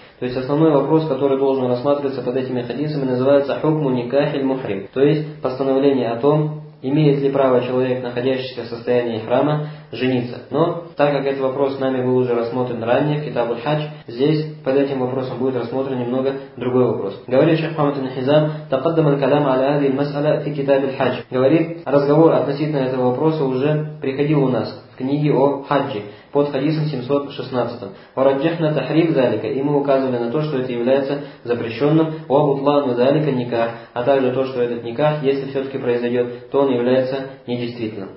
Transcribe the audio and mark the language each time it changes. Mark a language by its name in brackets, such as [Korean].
[Russian] То есть основной вопрос, который должен рассматриваться под этими хадисами, называется [Arabic] «Хукму никахиль мухрим». [Russian] То есть постановление о том, имеет ли право человек, находящийся в состоянии храма, жениться. Но так как этот вопрос нами был уже рассмотрен ранее в Китабу Хадж, здесь под этим вопросом будет рассмотрен немного другой вопрос. Говорит шейх Мухаммад ибн Хизам, [Arabic] تقدم الكلام على هذه المسألة في كتاب الحج. [Russian] Говорит, разговор относительно этого вопроса уже приходил у нас в книге о хаджи под хадисом 716. [Arabic] Вараджахна тахрим залика, [Russian] и мы указывали на то, что это является запрещенным, [Arabic] ва бутлану залика никах, [Russian] а также то, что этот никах, если все-таки произойдет, то он является недействительным.